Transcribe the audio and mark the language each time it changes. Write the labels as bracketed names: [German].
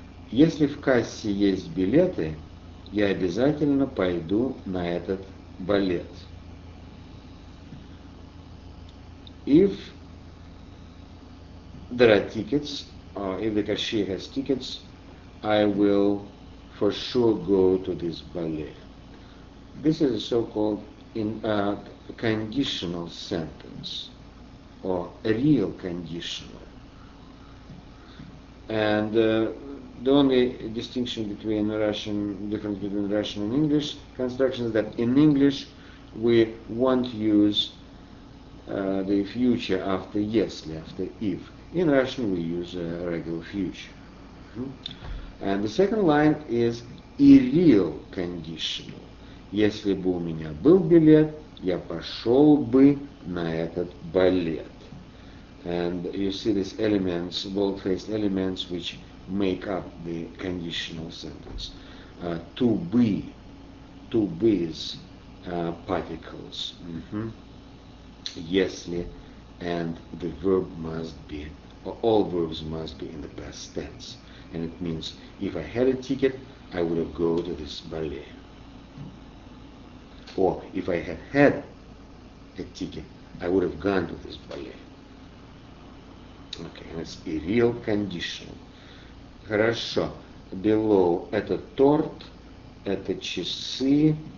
[Russian] Если в кассе есть билеты, я обязательно пойду на этот балет. [English] If there are tickets, or if the cashier has tickets, I will for sure go to this ballet. This is a so-called conditional sentence, or a real conditional. And the only distinction between Russian, difference between Russian and English construction is that in English we won't use the future after если, after if. In Russian we use a regular future. And the second line is irreal conditional. [Russian] Если бы у меня был билет, я пошел бы на этот балет. [English] And you see these elements, bold-faced elements, which make up the conditional sentence. To be is particles. Если, and the verb must be, or all verbs must be in the past tense. And it means, if I had a ticket, I would have gone to this ballet. Or, if I had had a ticket, I would have gone to this ballet. Okay, that's a real condition. [Russian] Хорошо. [English] Below [Russian] – это торт, это часы.